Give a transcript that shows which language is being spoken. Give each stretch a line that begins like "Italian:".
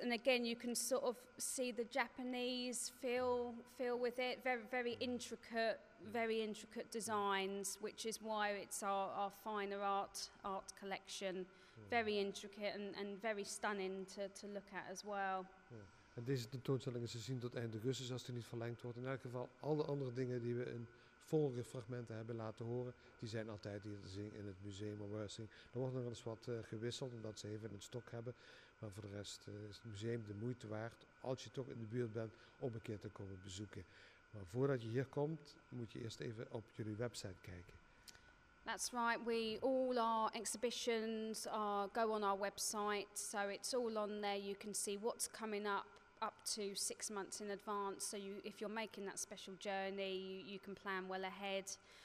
English: And again, you can sort of see the Japanese feel with it. Very, very intricate, very intricate designs, which is why it's our finer art collection. Very intricate and very stunning to look at as well.
Dutch: En deze tentoonstelling is te zien tot eind augustus als die niet verlengd wordt. In elk geval alle andere dingen die we in vorige fragmenten hebben laten horen, die zijn altijd hier te zien in het museum of Wersing. Er wordt nog eens wat gewisseld omdat ze even een stok hebben. Maar voor de rest is het museum de moeite waard als je toch in de buurt bent om een keer te komen bezoeken. Maar voordat je hier komt moet je eerst even op jullie website kijken.
English: That's right, all our exhibitions go on our website, so it's all on there. You can see what's coming up to 6 months in advance, so if you're making that special journey, you can plan well ahead.